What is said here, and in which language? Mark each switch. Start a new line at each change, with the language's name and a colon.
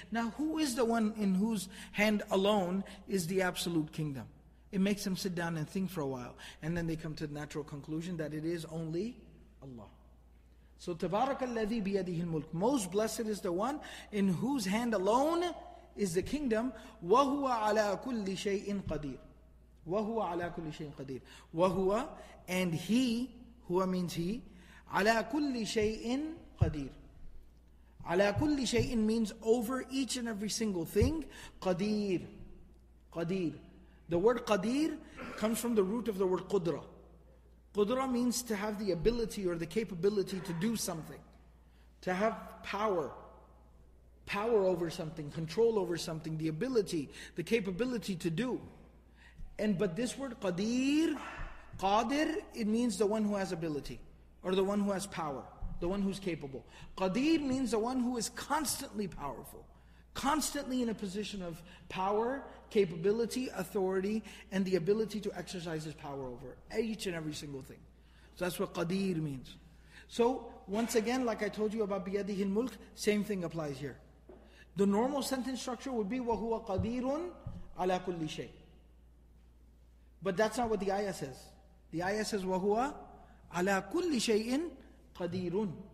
English: Now who is the one in whose hand alone is the absolute kingdom? It makes them sit down and think for a while. And then they come to the natural conclusion that it is only Allah. So
Arabic: tabarakalladhi biyadihi al-mulk.
English: Most blessed is the one in whose hand alone is the kingdom.
Arabic: وَهُوَ عَلَىٰ كُلِّ شَيْءٍ قَدِيرٌ وَهُوَ عَلَىٰ كُلِّ شَيْءٍ قَدِيرٌ وَهُوَ
English: and he, huwa means he,
Arabic: عَلَىٰ كُلِّ شَيْءٍ قَدِيرٌ عَلَىٰ كُلِّ شَيْءٍ
English: means over each and every single thing.
Arabic: قَدِيرٌ قَدِيرٌ.
English: The word قَدِيرٌ comes from the root of the word قُدْرَةٌ. Qudra means to have the ability or the capability to do something. To have power. Power over something, control over something, the ability, the capability to do. But this word qadir, qadir, it means the one who has ability. Or the one who has power. The one who's capable. Qadir means the one who is constantly powerful. Constantly in a position of power, capability, authority, and the ability to exercise his power over each and every single thing. So that's what Qadir means. So once again, like I told you about
Arabic: بِيَدِهِ الْمُلْكِ,
English: same thing applies here. The normal sentence structure would be
Arabic: وَهُوَ قَدِيرٌ عَلَىٰ كُلِّ شَيْءٍ.
English: But that's not what the ayah says. The ayah says
Arabic: وَهُوَ عَلَىٰ كُلِّ شَيْءٍ قَدِيرٌ.